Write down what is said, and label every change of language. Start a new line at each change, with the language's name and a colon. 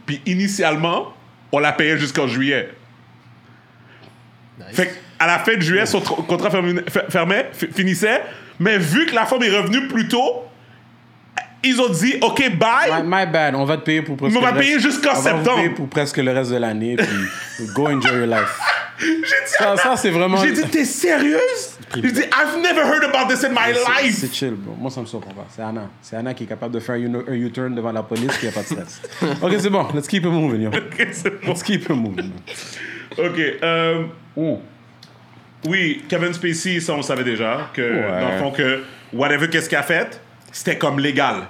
French: Puis initialement, on l'a payé jusqu'en juillet. Nice. Fait qu'à la fin de juillet, son contrat finissait. Mais vu que la femme est revenue plus tôt, ils ont dit OK, bye.
English: My bad,
French: on va te payer pour presque. On va payer jusqu'en septembre. On va te payer pour presque le reste de l'année. Puis
English: go enjoy your life.
French: Ça, c'est vraiment. J'ai dit, t'es sérieuse? J'ai dit,
English: I've never heard about this in my life.
French: C'est chill, bro. Moi, ça me surprend pas. C'est Anna. C'est Anna qui est capable de faire un U-turn devant la police qui a pas de stress.
English: OK,
French: c'est bon.
English: Let's keep it moving, yo.
French: OK, c'est bon.
English: Let's keep it moving.
French: OK. Oui, Kevin Spacey, ça, on savait déjà. Que, ouais. Dans le fond, que whatever qu'est-ce qu'il a fait, c'était comme légal.